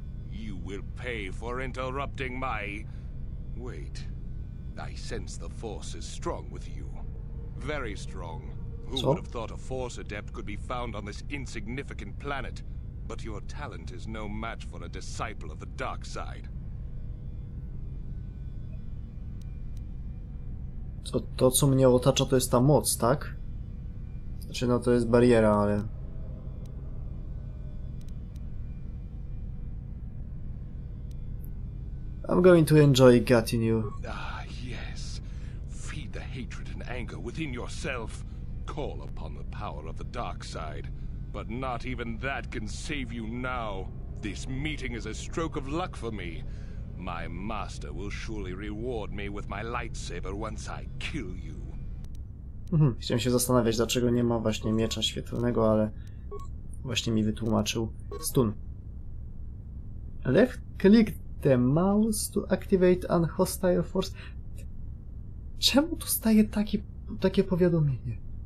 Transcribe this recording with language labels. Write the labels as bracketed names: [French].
[English] You will pay for interrupting my... Wait. I sense the force is strong with you. Very strong. Who would have thought a force adept could be found on this insignificant planet? But your talent is no match for a disciple of the dark side. [Polish] To, co mnie otacza, to jest ta moc, tak? Znaczy, no to jest bariera, ale... [English] I'm going to enjoy gutting you. Ah, yes. Feed the hatred and anger within yourself. Call upon the power of the dark side. But not even that can save you now. This meeting is a stroke of luck for me. My master will surely reward me with my lightsaber once I kill you. [Polish] Chciałem się zastanawiać, dlaczego nie ma właśnie miecza świetlnego, ale właśnie mi wytłumaczył. Stun. [English] Left click the mouse to activate an hostile force. [Polish] Czemu tu staje takie powiadomienie?